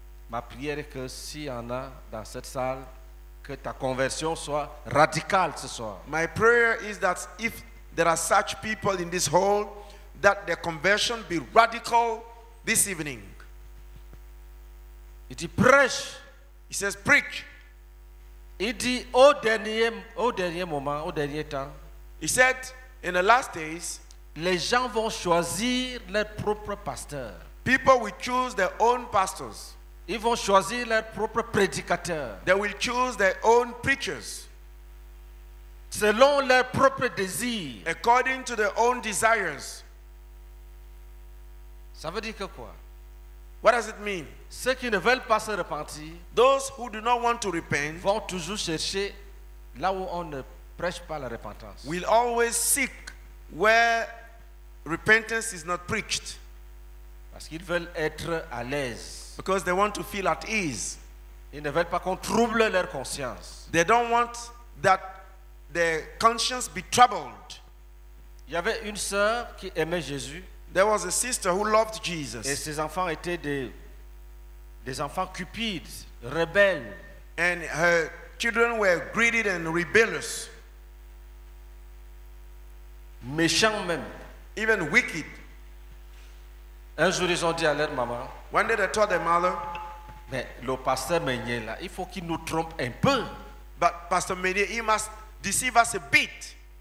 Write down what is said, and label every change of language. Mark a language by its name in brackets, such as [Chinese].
[French] Ma prière est que s'il y en a dans cette salle, que ta conversion soit radicale ce soir. [English] My prayer is that if there are such people in this hall, that their conversion be radical this evening. [French] Il dit prêche. [English] He says preach. [French] Il dit au dernier moment, au dernier temps. [English] He said in the last days, [French] les gens vont choisir leur propre pasteur. [English] People will choose their own pastors. [French] Ils vont choisir leur propre prédicateur. [English] They will choose their own preachers. [French] Selon leur propre désir. [English] According to their own desires. [French] Ça veut dire que quoi? [English] What does it mean? [French] Ceux qui ne veulent pas se repentir, [English] those who do not want to repent, [French] vont toujours chercher là où on ne prêche pas la repentance. [English] Will always seek where repentance is not preached. [French] Parce qu'ils veulent être à l'aise. [English] Because they want to feel at ease. [French] Ils ne veulent pas qu'on trouble leur conscience. [English] They don't want that their conscience be troubled. [French] Il y avait une sœur qui aimait Jésus. [English] There was a sister who loved Jesus. [French] Et ses enfants étaient des enfants cupides, rebelles. [English] And her children were greedy and rebellious. [French] Méchants même. [English] Even wicked. [French] Un jour ils ont dit à leur maman. [English] When they told their mother. [French] Mais le pasteur Meunier là, il faut qu'il nous trompe un peu. But Pastor Meunier, he must deceive us a bit.